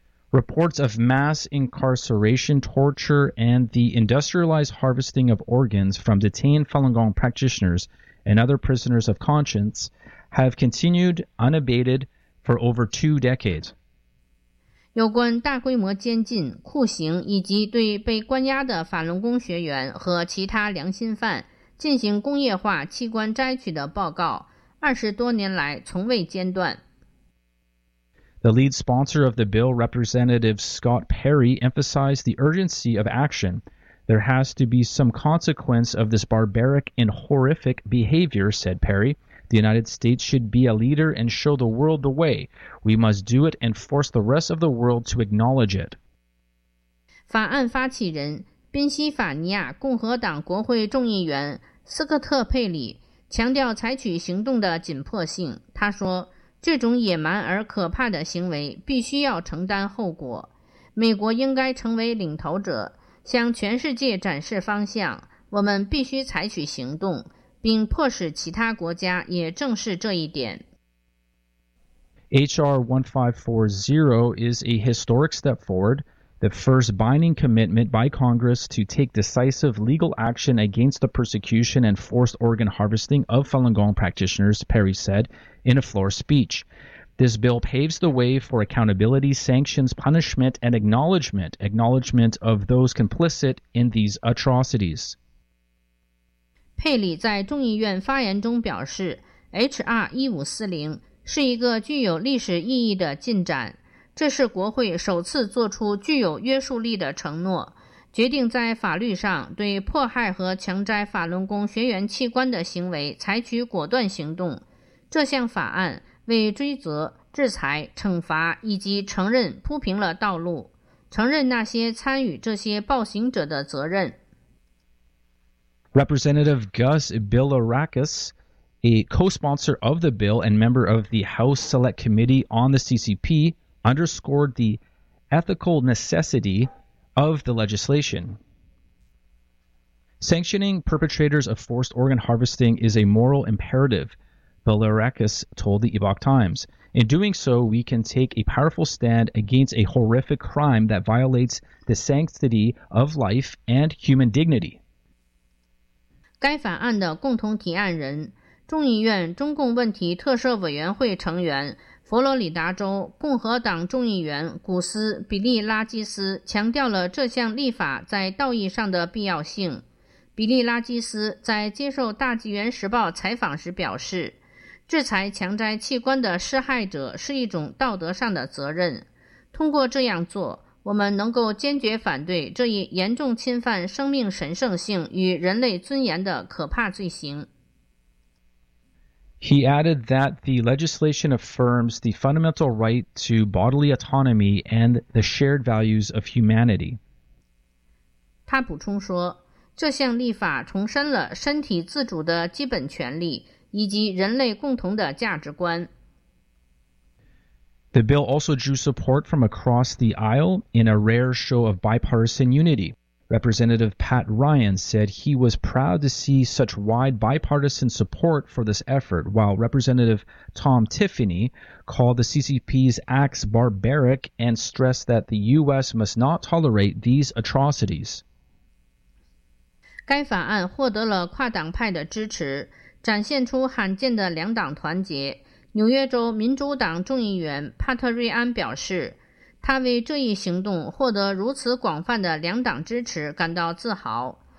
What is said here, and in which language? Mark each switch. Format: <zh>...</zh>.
<en>Reports of mass incarceration, torture, and the industrialized harvesting of organs from detained Falun Gong practitioners and other prisoners of conscience have continued unabated for over 2 decades.</en> <zh>有关大规模监禁、酷刑以及对被关押的法轮功学员和其他良心犯进行工业化器官摘取的报告，20多年来从未间断。</zh> <en>The lead sponsor of the bill, Representative Scott Perry, emphasized the urgency of action. There has to be some consequence of this barbaric and horrific behavior, said Perry. The United States should be a leader and show the world the way. We must do it and force the rest of the world to acknowledge it.</en> <zh>法案发起人、宾夕法尼亚共和党国会众议员斯科特·佩里强调采取行动的紧迫性。他说，这种野蛮而可怕的行为必须要承担后果。美国应该成为领头者，向全世界展示方向。我们必须采取行动。并迫使其他国家也正视这一点。</zh> <en>H.R. 1540 is a historic step forward, the first binding commitment by Congress to take decisive legal action against the persecution and forced organ harvesting of Falun Gong practitioners, Perry said in a floor speech. This bill paves the way for accountability, sanctions, punishment, and acknowledgement of those complicit in these atrocities.</en> <zh>佩里在众议院发言中表示 ,H.R. 1540 是一个具有历史意义的进展。这是国会首次做出具有约束力的承诺，决定在法律上对迫害和强摘法轮功学员器官的行为采取果断行动。这项法案为追责、制裁、惩罚以及承认铺平了道路，承认那些参与这些暴行者的责任。</zh> <en>Representative Gus Bilirakis, a co-sponsor of the bill and member of the House Select Committee on the CCP, underscored the ethical necessity of the legislation. Sanctioning perpetrators of forced organ harvesting is a moral imperative, Belarakis told the Epoch Times. In doing so, we can take a powerful stand against a horrific crime that violates the sanctity of life and human dignity.</en> <zh>该法案的共同提案人、众议院中共问题特设委员会成员、佛罗里达州共和党众议员古斯·比利·拉基斯强调了这项立法在道义上的必要性。比利·拉基斯在接受《大纪元时报》采访时表示，制裁强摘器官的施害者是一种道德上的责任。通过这样做，我们能够坚决反对这一严重侵犯生命神圣性与人类尊严的可怕罪行。</zh> <en>He added that the legislation affirms the fundamental right to bodily autonomy and the shared values of humanity.</en> <zh>他补充说，这项立法重申了身体自主的基本权利以及人类共同的价值观。</zh> <en>The bill also drew support from across the aisle in a rare show of bipartisan unity. Representative Pat Ryan said he was proud to see such wide bipartisan support for this effort, while Representative Tom Tiffany called the CCP's acts barbaric and stressed that the U.S. must not tolerate these atrocities.</en> <zh>该法案获得了跨党派的支持，展现出罕见的两党团结。纽约州民主党众议员帕特瑞安表示，他为这一行动获得如此广泛的两党支持感到自豪。</zh>